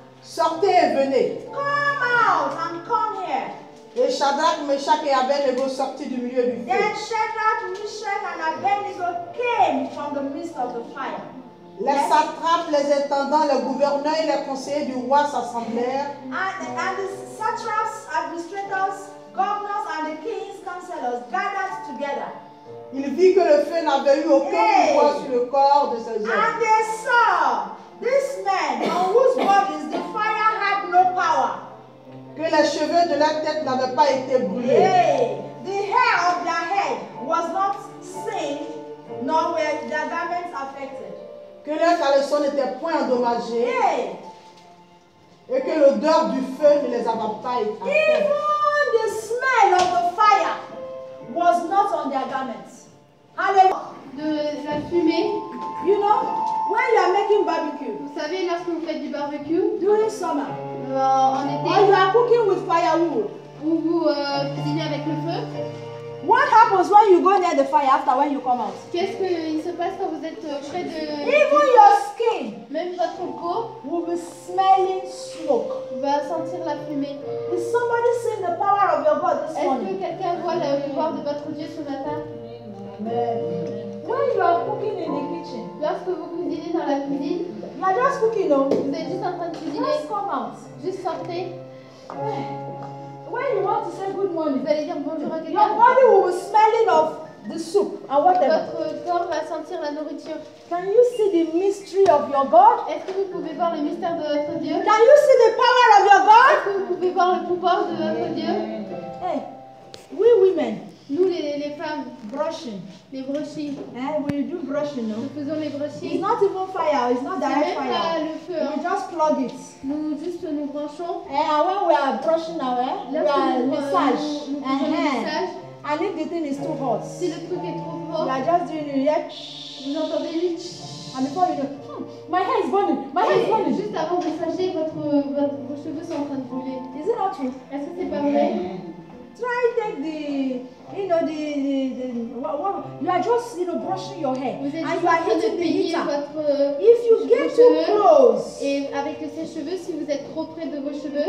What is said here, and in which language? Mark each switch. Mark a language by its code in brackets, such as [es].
[fr] sortez et venez. [en] Come out and come here. [fr] Et Shadrach, Meshach et Abednego sortirent du milieu du feu. [en] Then Shadrach, Meshach and Abednego came from the midst of the fire. [fr] Les satrapes, les intendants, les gouverneurs et les conseillers du roi s'assemblèrent. [en] And the satraps, administrators, governors and the king's counselors gathered together. [fr] Ils virent que le feu n'avait eu aucun pouvoir sur le corps de ces hommes. [en] And they saw this man on whose bodies the fire had no power. [fr] Que les cheveux de leur tête n'avaient pas été brûlés. [en] The hair of their head was not singed, nor were their garments affected. [fr] Que leurs caleçons n'étaient point endommagés yeah. et que l'odeur du feu ne les avait pas effrayés. [en] Even the smell of the fire was not on their garments. [fr] Alléluia. De la fumée. [en] You know, when you are making barbecue. [fr] Vous savez, lorsque vous faites du barbecue [en] during summer. [fr] En été. [en] While you are cooking with firewood. [fr] Où vous cuisinez avec le feu. [en] What happens when you go near the fire after when you come out? [fr] Qu'est-ce que il se passe quand vous êtes près de? [en] Even your skin. [fr] Même votre peau. [en] Will be smelling smoke. [fr] Va sentir la fumée. [en] Is somebody seeing the power of your God this morning? [fr] Est-ce que quelqu'un voit le pouvoir de votre Dieu ce matin? [en] Amen. When you are cooking in the kitchen. [fr] Lorsque vous cuisinez dans la cuisine. [en] You are just cooking, no? [fr] Vous êtes juste en train de cuisiner. [en] Just come out. [fr] Juste sortez. [en] When you want to say good morning, [fr] vous allez dire bonjour à quelqu'un. [en] Your body will be smelling of the soup and whatever. [fr] Votre corps va sentir la nourriture. [en] Can you see the mystery of your God? [fr] Est-ce que vous pouvez voir le mystère de votre Dieu? [en] Can you see the power of your God? [fr] Est-ce que vous pouvez voir le pouvoir de votre Dieu? [en] Hey, we women. [fr] Nous les femmes. [en] Brushing. [fr] Les brushing. [en] Hey, we do brushing, no? [fr] Nous faisons les brushing. [en] It's not even fire. It's not direct fire. [fr] C'est même pas le feu. [en] We just plug it. [fr] Nous juste nous branchons. [en] Hey, when we are brushing now, eh? [fr] Là, [en] we are massage. [fr] Massage. [en] And if the thing is too hot. [fr] Si le truc est trop fort. [en] We are just doing it. Yeah. [fr] Vous entendez le ch. [en] And before you go, my hair is burning. My hair is burning. [fr] Juste avant de massager, vos cheveux sont en train de brûler. [en] Is it not true? [fr] Est-ce que c'est pas vrai? [en] Try take the, you know, the what, you are just, you know, brushing your hair. [fr] Vous êtes [en] and you are hitting the heater. [fr] Votre, [en] if you get too close. [fr] Et avec ses cheveux, si vous êtes trop près de vos cheveux.